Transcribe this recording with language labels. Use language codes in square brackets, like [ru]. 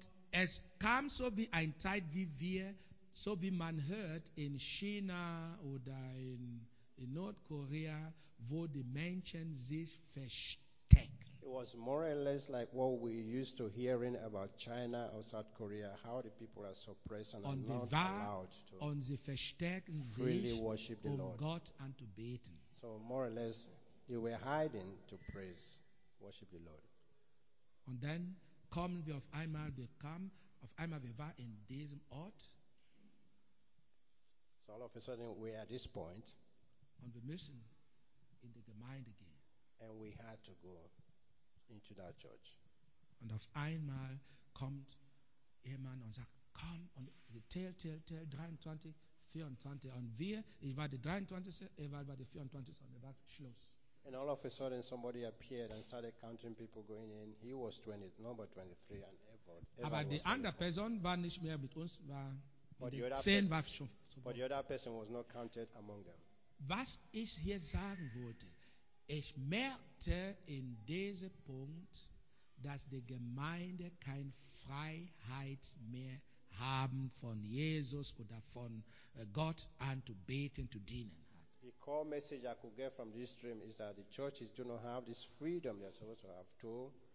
[de] Es kam so wie ein Zeit, wie man hört in China oder in Nordkorea, wo die Menschen sich verstecken. [en] It was more or less like what we used to hearing about China or South Korea, how the people are suppressed and are not allowed to freely worship the Lord. [de] Gott anzubeten. [en] So more or less, they were hiding to praise, worship the Lord. [de] Und dann kommen wir auf einmal, wir kamen, auf einmal wir waren in diesem Ort. [en] So all of a sudden we are at this point. [de] Und wir müssen in die Gemeinde gehen. [en] And we had to go into that church. [de] Und auf einmal kommt jemand und sagt, komm, und wir tell, 23, 24. Und wir, ich war der 23, Ewald war der 24, und wir waren Schluss. [en] And all of a sudden, somebody appeared and started counting people going in. He was number 23, and Ewald. [de] Aber die andere Person war nicht mehr mit uns. [en] But the other person was not counted among them. [de] Was ich hier sagen wollte, ich merkte in diesem Punkt, dass die Gemeinde keine Freiheit mehr haben von Jesus oder von Gott anzubeten, zu dienen. [en] The core message I could get from this dream is that the churches do not have this freedom they are supposed to have to